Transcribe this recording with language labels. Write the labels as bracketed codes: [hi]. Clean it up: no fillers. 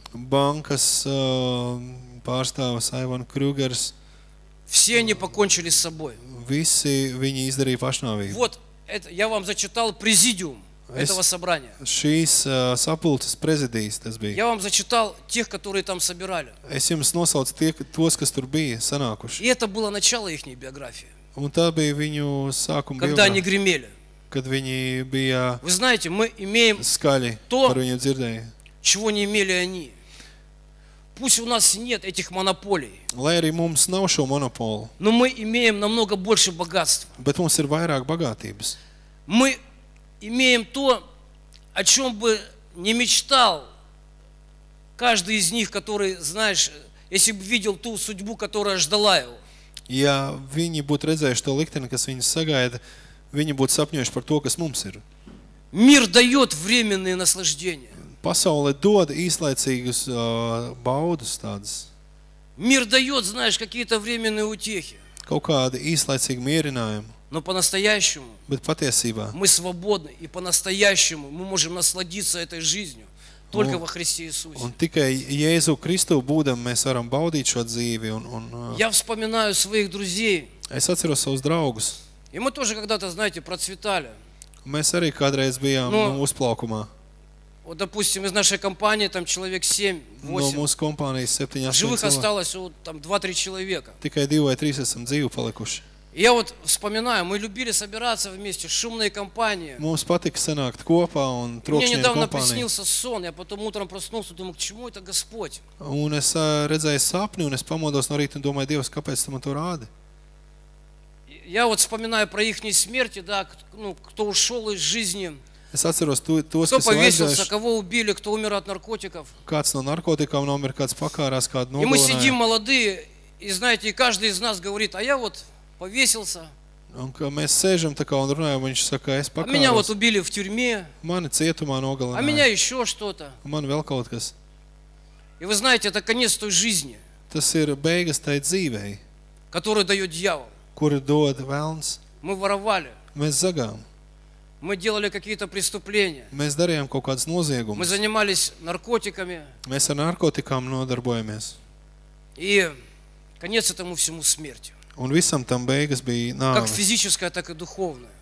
[lv] Банкас парставас Айван Крюгерс. [ru] Все они покончили с собой. [lv] Виси вини издарии пашнави. [ru] Вот, это, я вам зачитал президиум. Этого собрания. [lv] Šīs sapulces prezidijas tas bija. [ru] Я вам зачитал тех, которые там собирали. [lv] Es jums nosaucu tos, kas tur bija sanākuši. [ru] И это было начало ихней биографии. [lv] Un tā bija viņu sākuma biogrāfija. [ru] Когда они гремели. [lv] Kad viņi bija [ru] Вы знаете, мы имеем скали, то, [lv] par viņu dzirdēju. [ru] Чего не имели они. Пусть у нас нет этих монополий. [lv] Lai arī mums nav šo monopolu. [ru] Но мы имеем намного больше богатства. [lv] Bet mums ir vairāk bagātības. [ru] Мы имеем то, о чем бы не мечтал каждый из них, который, знаешь, если бы видел ту судьбу, которая ждала его. [lv] Ja viņi būtu redzējuši to likteni, kas viņus sagaida, viņi būtu sapņojuši par to, kas mums ir. [ru] Мир дает временные наслаждения. [lv] Pasaule dod īslaicīgus baudus tādus. [ru] Мир дает, знаешь, какие-то временные утехи. [lv] Kaut kādi īslaicīgi mierinājumi. [ru] Но по-настоящему [lv] Bet patiesībā, [ru] мы свободны и по-настоящему мы можем насладиться этой жизнью только во Христе Иисусе. [lv] Un tikai Jēzu Kristu būdam, mēs varam baudīt šo dzīvi. [ru] Я вспоминаю своих друзей. [lv] Es atceros savus draugus. [ru] И мы тоже когда-то, знаете, процветали. [lv] Mēs arī kādreiz bijām no, uzplaukumā. [ru] Вот, допустим, из нашей компании там человек 7-8. [lv] No mūsu kompānijas 7-8. [ru] Живых осталось вот, там 2-3 человека. [lv] Tikai 2-3 esam dzīvi palikuši. [ru] Я вот вспоминаю, мы любили собираться вместе, шумные компании. [lv] Mums patika sanākt kopā un trokšņiem kompānijām. [ru] Мне недавно приснился сон, я потом утром проснулся, думаю, к чему это Господь? [lv] Un es redzēju sapni, un es pamodos no rīta un domāju, Dievs, kāpēc tu man to rādi? [ru] Я вот вспоминаю про ихней смерти, да, ну, кто ушел из жизни. [lv] Es atceros tos, [ru] кто повесился, кого убили, кто умер от наркотиков. [lv] Kāds no narkotikām nomir, kāds pakārās, kādu nogalināja. [ru] И мы сидим молодые, и знаете, и каждый из нас говорит, а я вот повесился. [lv] Un, ka mēs sēžam tā kā un runājam, viņš saka, es pakāros. [ru] А меня вот убили в тюрьме. [lv] Mani cietumā nogalināja. [ru] А меня еще что-то. [lv] Man vēl kaut kas. [ru] И вы знаете, это конец той жизни. [lv] Tas ir beigas tai dzīvei. [ru] Которую дает дьявол. [lv] Kuru dod velns. [ru] Мы воровали. [lv] Mēs zagām. [ru] Мы делали какие-то преступления. [lv] Mēs darījām kaut kādas noziegumus. [ru] Мы занимались наркотиками. [lv] Mēs ar narkotikām nodarbojamies. [ru] И конец этому всему смерти. [lv] Un visam tam beigas bija nāve. [ru] Как физическая, так и духовная.